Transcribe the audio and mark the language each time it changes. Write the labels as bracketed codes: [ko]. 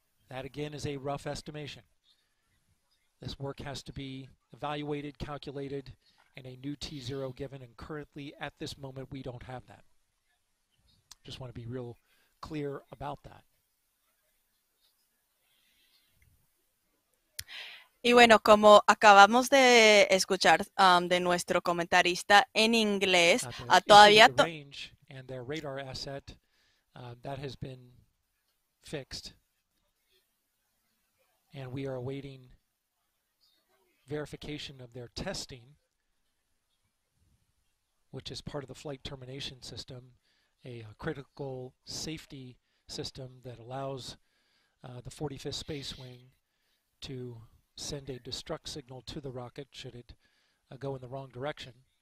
[en] That, again, is a rough estimation. This work has to be evaluated, calculated, and a new T0 given. And currently, at this moment, we don't have that. Just want to be real clear about that. [es] Y bueno, como acabamos de escuchar de nuestro comentarista en inglés, todavía [en] the range and their radar asset that has been fixed, and we are awaiting verification of their testing, which is part of the flight termination system, a critical safety system that allows the 45th Space Wing to send a destruct signal to the rocket should it go in the wrong direction.